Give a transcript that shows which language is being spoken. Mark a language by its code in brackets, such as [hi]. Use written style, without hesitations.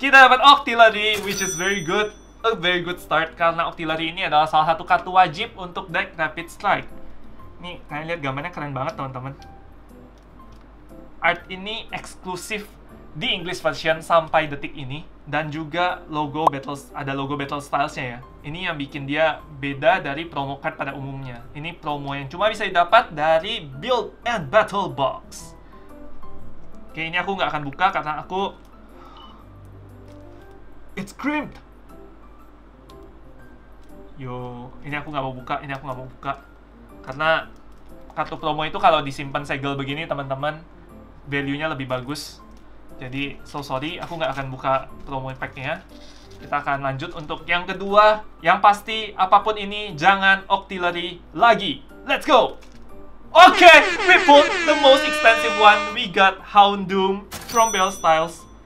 [id] Kita dapat Octillery, [en] which is very good. A very good start, [id] karena Octillery ini adalah salah satu kartu wajib untuk deck Rapid Strike. Nih, kalian lihat gambarnya keren banget, teman-teman. Art ini eksklusif di English version sampai detik ini. Dan juga logo battles, ada logo Battle Styles-nya ya. Ini yang bikin dia beda dari promo card pada umumnya. Ini promo yang cuma bisa didapat dari Build and Battle Box. Oke, ini aku nggak akan buka karena aku... [en] It's crimped! [id] Yo, ini aku nggak mau buka, ini aku nggak mau buka. Karena kartu promo itu kalau disimpan segel begini, teman-teman, value-nya lebih bagus. Jadi, [en] so sorry, [id] aku nggak akan buka promo pack-nya. Kita akan lanjut untuk yang kedua. Yang pasti, apapun ini, jangan Octillery lagi. [en] Let's go! Oke, okay, we pulled the most expensive one. We got Houndoom from Bell Styles.